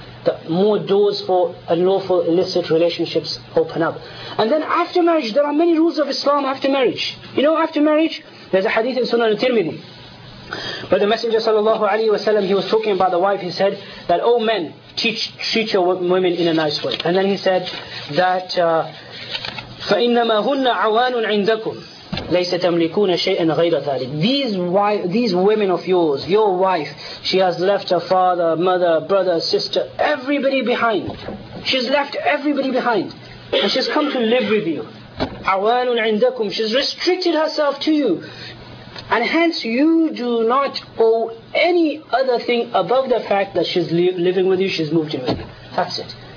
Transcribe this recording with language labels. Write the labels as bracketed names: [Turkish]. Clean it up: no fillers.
[English] The more doors for unlawful illicit relationships open up. And then after marriage, there are many rules of Islam after marriage. You know, after marriage, there's a hadith in Sunan al-Tirmidhi. But the Messenger sallallahu alayhi wa sallam, he was talking about the wife, he said that, oh men, treat your women in a nice way. And then he said that, [Arabic] فَإِنَّمَا هُنَّ عَوَانٌ عِنْدَكُمْ لَيْسَ تَمْلِكُونَ شَيْئًا غَيْرَ ذَلِكَ. [English] These women of yours, your wife, she has left her father, mother, brother, sister, everybody behind. She's left everybody behind. And she's come to live with you. [Arabic] عَوَانٌ عِنْدَكُمْ. [English] She's restricted herself to you. And hence you do not owe any other thing above the fact that she's living with you, she's moved in with you. That's it.